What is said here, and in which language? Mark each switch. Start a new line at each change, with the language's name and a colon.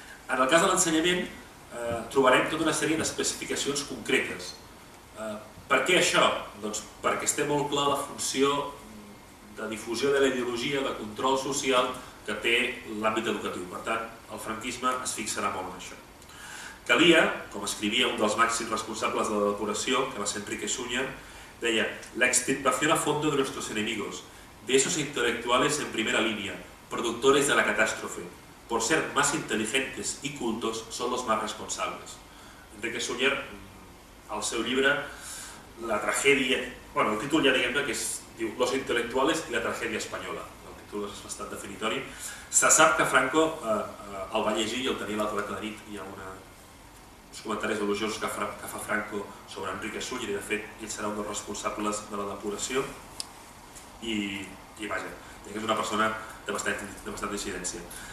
Catalan: En el cas de l'ensenyament trobarem tota una sèrie d'especificacions concretes. Per què això? Doncs perquè es té molt clar la funció de difusió de la ideologia, de control social que té l'àmbit educatiu. Per tant, el franquisme es fixarà molt en això. Calia, com escrivia un dels màxims responsables de la depuració, que va ser Enrique Suñer, deia,
Spanish: l'extirpación a fondo de nuestros enemigos, de esos intelectuales en primera línea, productores de la catástrofe, por ser más inteligentes y cultos, son los más responsables.
Catalan: Enrique Suñer, al seu llibre, La tragedia... Bueno, el títol ja diguem-ne que és... Diu, Los intelectuales y la tragedia española. El títol és bastant definitori. Se sap que Franco el va llegir i el tenia l'altre de la nit. Hi ha uns comentaris elogiosos que fa Franco sobre Enrique Suñer i, de fet, ell serà un dels responsables de la depuració. I vaja, és una persona de bastant incidència.